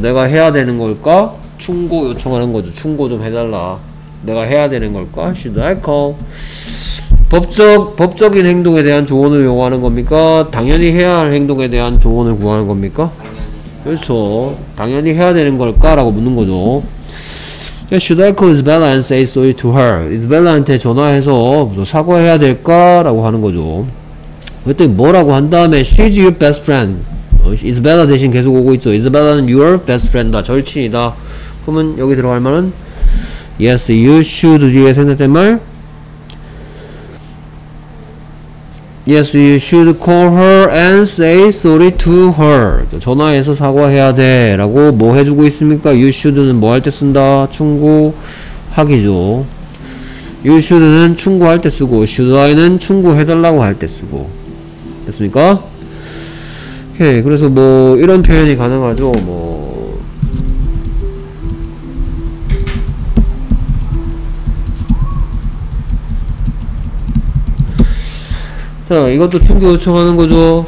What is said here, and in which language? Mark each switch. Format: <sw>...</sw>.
<ko>내가 해야 되는 걸까? 충고 요청하는 거죠. 충고 좀 해달라. 내가 해야 되는 걸까?</ko> <en>should I call?</en> <ko>법적인 행동에 대한 조언을 요구하는 겁니까? 당연히 해야 할 행동에 대한 조언을 구하는 겁니까? 그렇죠. 당연히 해야 되는 걸까? 라고 묻는 거죠.</ko> <en>Should I call Isabella and say sorry to her?</en> <ko>Isabella한테 전화해서 사과해야 될까? 라고 하는 거죠. 그랬더니 뭐라고 한 다음에</ko> <en>She's your best friend.</en> <ko>Isabella 대신 계속 오고 있죠. Isabella는</ko> <en>your best friend</en> <ko>다. 절친이다. 그러면 여기 들어갈 말은?</ko> <en>Yes, you should</en> <ko>뒤에 생각된 말?</ko> <en>Yes, you should call her and say sorry to her.</en> <ko>전화해서 사과해야 돼. 라고 뭐 해주고 있습니까? You should는 뭐 할 때 쓴다? 충고하기죠. You should는 충고할 때 쓰고 should I는 충고해달라고 할 때 쓰고 됐습니까? 오케이. 그래서 뭐 이런 표현이 가능하죠. 뭐 자 이것도 충고 요청하는 거죠.</ko>